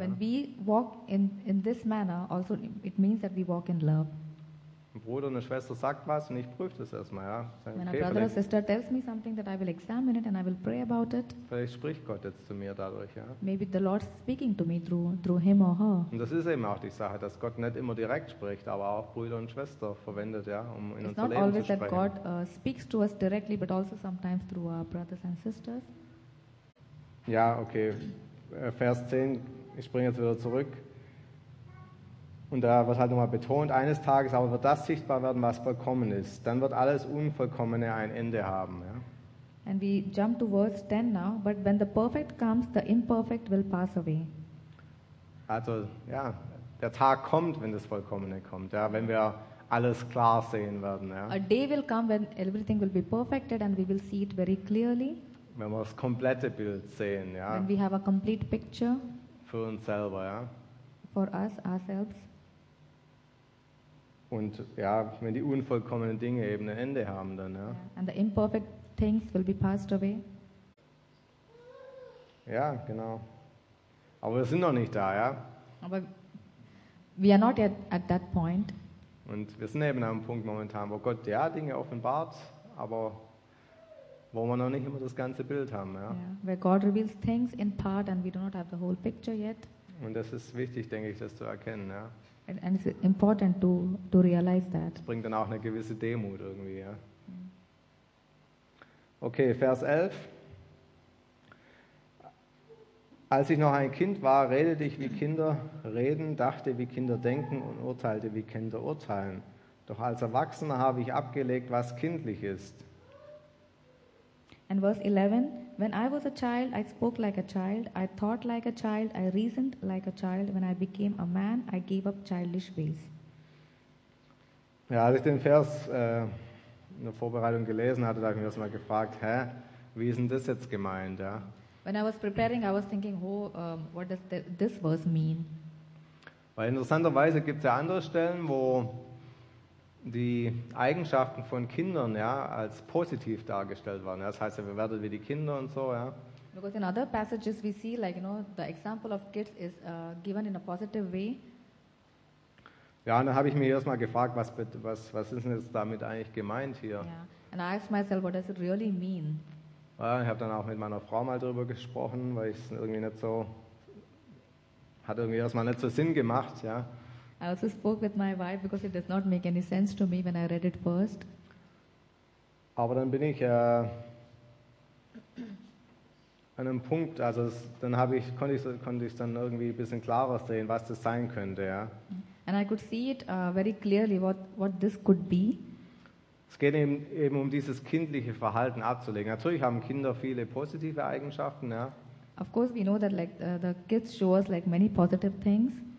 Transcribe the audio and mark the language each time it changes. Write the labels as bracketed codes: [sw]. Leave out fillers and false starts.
[en] When we walk in this manner, also it means that we walk in love. [de] Ein Bruder und eine Schwester sagt was und ich prüfe das erstmal, ja. [en] Sag, when okay, a brother or sister tells me something, that I will examine it and I will pray about it. [de] Vielleicht spricht Gott jetzt zu mir dadurch, ja. [en] Maybe the Lord is speaking to me through him or her. [de] Und das ist eben auch die Sache, dass Gott nicht immer direkt spricht, aber auch Brüder und Schwester verwendet, ja, um in unser Leben zu sprechen. [en] It's not always that God speaks to us directly, but also sometimes through our brothers and sisters. [de] Ja, okay. Vers 10, ich springe jetzt wieder zurück. Und da wird halt nochmal betont, eines Tages aber wird das sichtbar werden, was vollkommen ist. Dann wird alles Unvollkommene ein Ende haben. Ja. [en] And we jump to verse 10 now, but when the perfect comes, the imperfect will pass away. [de] Also, ja, der Tag kommt, wenn das Vollkommene kommt, ja, wenn wir alles klar sehen werden. Ja. [en] A day will come when everything will be perfected and we will see it very clearly. [de] Wenn wir das komplette Bild sehen, ja. [en] When we have a complete picture. [de] Für uns selber, ja. [en] For us, ourselves. [de] Und ja, wenn die unvollkommenen Dinge eben ein Ende haben, dann, ja. [en] And the imperfect things will be passed away. [de] Ja, genau. Aber wir sind noch nicht da, ja. [en] Aber we are not yet at that point. [de] Und wir sind eben an einem Punkt momentan, wo Gott ja Dinge offenbart, aber wo wir noch nicht immer das ganze Bild haben, ja. [en] Yeah. Where God reveals things in part and we do not have the whole picture yet. [de] Und das ist wichtig, denke ich, das zu erkennen, ja. [en] And it's important to realize that. [de] Das bringt dann auch eine gewisse Demut irgendwie, ja. Okay, Vers 11. Als ich noch ein Kind war, redete ich wie Kinder reden, dachte wie Kinder denken und urteilte wie Kinder urteilen. Doch als Erwachsener habe ich abgelegt, was kindlich ist. [en] And verse 11. When I was a child, I spoke like a child, I thought like a child, I reasoned like a child. When I became a man, I gave up childish ways. [de] Ja, als ich den Vers in der Vorbereitung gelesen hatte, da habe ich mir erst mal gefragt, hä, wie ist denn das jetzt gemeint? Ja? [en] When I was preparing, I was thinking, oh, what does this verse mean? [de] Weil interessanterweise gibt es ja andere Stellen, wo die Eigenschaften von Kindern, ja, als positiv dargestellt waren. Das heißt, wir werden wie die Kinder und so, ja. [en] Because in other passages we see, like, you know, the example of kids is given in a positive way. [de] Ja, und dann habe ich mich erst mal gefragt, was ist denn jetzt damit eigentlich gemeint hier? [en] Yeah. And I asked myself, what does it really mean? [de] Ja, ich habe dann auch mit meiner Frau mal darüber gesprochen, weil ich es irgendwie nicht so, hat irgendwie erst mal nicht so Sinn gemacht, ja. [en] I also spoke with my wife because it does not make any sense to me when I read it first. [de] Aber dann bin ich an einem Punkt, also konnte ich dann irgendwie ein bisschen klarer sehen, was das sein könnte, ja. [en] And I could see it very clearly what this could be. [de] Es geht eben um dieses kindliche Verhalten abzulegen. Natürlich haben Kinder viele positive Eigenschaften, ja. [en] Of course we know that like the kids show us like many positive things.